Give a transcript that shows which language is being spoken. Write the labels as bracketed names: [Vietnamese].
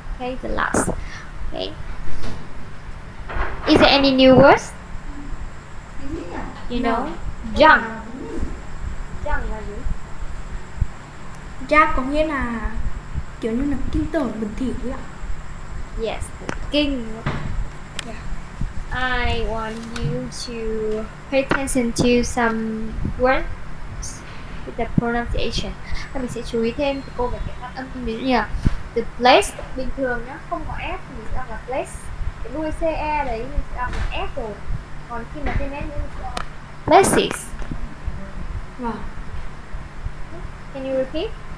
[English] Okay, the last. Okay. Is there any new words? You know, junk. [Vietnamese] Junk là gì? Junk có nghĩa là kiểu như là kinh tởm bẩn thỉu ấy ạ. Yes, kinh. Yeah. [English] I want you to pay attention to some words with the pronunciation. [Vietnamese] Và mình sẽ chú ý thêm cô về cái phát âm như thế nào. The place bình thường nhá, không có s thì mình sẽ đọc là place. Cái đuôi ce đấy mình sẽ đọc là s rồi. Còn khi mà thêm s nữa mình sẽ đọc places. Wow. [English] Can you repeat?